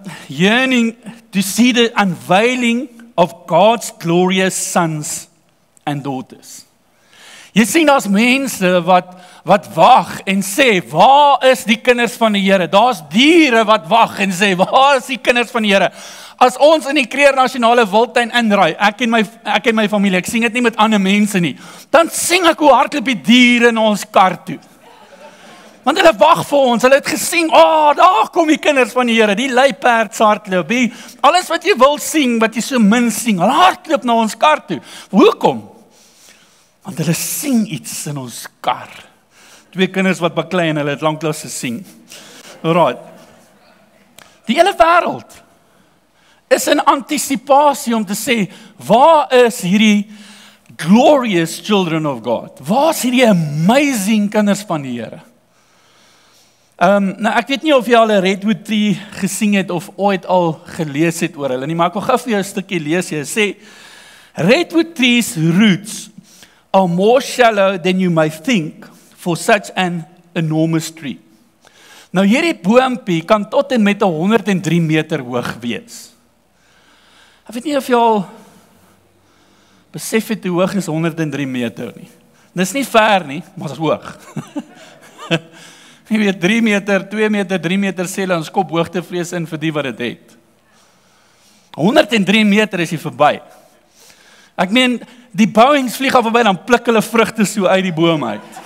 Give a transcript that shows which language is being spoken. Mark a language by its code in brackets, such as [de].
[en] Yearning to see the unveiling of God's glorious sons and daughters. [af] Jy sien, daar's mense wat wag en sê, waar is die kinders van die Here? Daar's diere wat wag en sê, waar is die kinders van die Here? As ons in die Kruger Nasionale Wildtuin inry, ek en my familie, ek sien dit nie met ander mense nie, dan sien ek hoe hardloop die diere in ons kar toe. Want hulle wag vir ons, hulle het gesien, daar kom die kinders van die Here, die luiperds hardloop, alles wat jy wil sien, wat jy so min sien, hulle hardloop na ons kar toe. Hoekom? Want hulle sien iets in ons kar. Twee kinders wat baklei en hulle het lanklaas gesien. Right. Die hele wêreld is in antisipasie om te sê, waar is hierdie [en] glorious children of God? [af] Waar is hierdie amazing kinders van die Here? Ek weet nie of jy al 'n Redwood Tree gesien het of ooit al gelees het oor hulle nie, maar ek wil gou vir jou 'n stukkie lees. Jy sê, [en] Redwood Tree's roots are more shallow than you may think for such an enormous tree. [af] Nou hierdie boompie kan tot en met 103 meter hoog wees. Ek weet nie of jy al besef het hoe hoog is 103 meter nie. Dis nie ver nie, maar dis hoog. Jy weet, 3 meter, 2 meter, 3 meter sê hulle, ons kop hoogtevrees in vir die wat dit het. 103 meter is hy verby. Ek meen, die bouwings vlieg al verby, dan pluk hulle vrugte so uit die boom uit.